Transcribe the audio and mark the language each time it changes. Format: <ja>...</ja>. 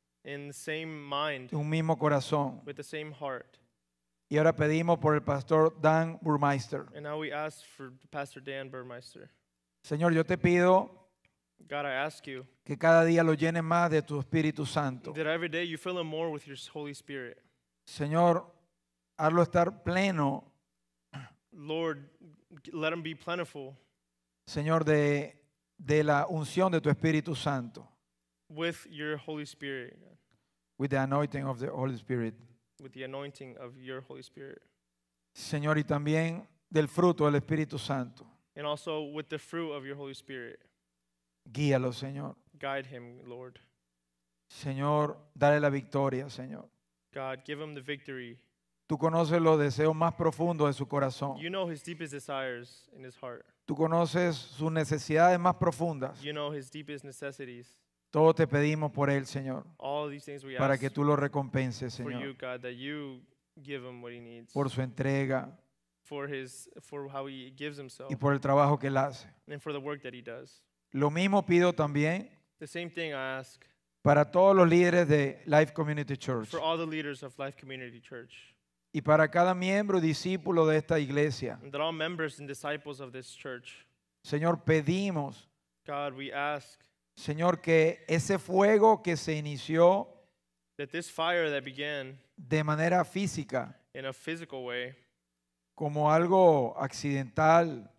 <en>in the same mind,</en> <es>un mismo corazón,</es> <en>with the same heart.</en> <es>Y ahora pedimos por el pastor Dan Burmeister.</es> <en>And now we ask for Pastor Dan Burmeister.</en> <es>Señor, yo te pido,</es> <en>God, I ask you,</en> <es>que cada día lo llenes más de tu Espíritu Santo.</es> <en>That every day you fill him more with your Holy Spirit.</en> <es>Señor, hazlo estar pleno.</es> <en>Lord, let him be plentiful.</en> <es>Señor, de la unción de tu Espíritu Santo.</es> <en>With your Holy Spirit. With the anointing of the Holy Spirit. With the anointing of your Holy Spirit.</en> <es>Señor, y también del fruto del Espíritu Santo.</es> <en>And also with the fruit of your Holy Spirit.</en> <es>Guíalo, Señor.</es> <en>Guide him, Lord.</en> <es>Señor, dale la victoria, Señor.</es> <en>God, give him the victory.</en> <es>Tú conoces los deseos más profundos de su corazón.</es> <en>You know his deepest desires in his heart.</en> <es>Tú conoces sus necesidades más profundas.</es> <en>You know his deepest necesities.</en> <es>Todo te pedimos por él, Señor.</es> <en>All these things we</en> <es>ask para que tú lo recompenses, Señor.</es> <en>For you, God, that you give him what he needs.</en> <es>Por su entrega.</es> <en>For how he gives himself.</en> <es>Y por el trabajo que él hace.</es> <en>And for the work that he does.</en> <es>Lo mismo pido también.</es> <en>The same thing I ask.</en> <es>Para todos los líderes de Life Community Church.</es> <en>For all the leaders of Life Community Church.</en> <es>Y para cada miembro discípulo de esta iglesia.</es> <en>And all members and disciples of this church.</en> <es>Señor, pedimos.</es> <en>God, we ask.</en> <es>Señor, que ese fuego que se inició</es> <en>that this fire that began</en> <es>de manera física,</es> <en>in a physical way,</en> <es>como algo accidental,</es>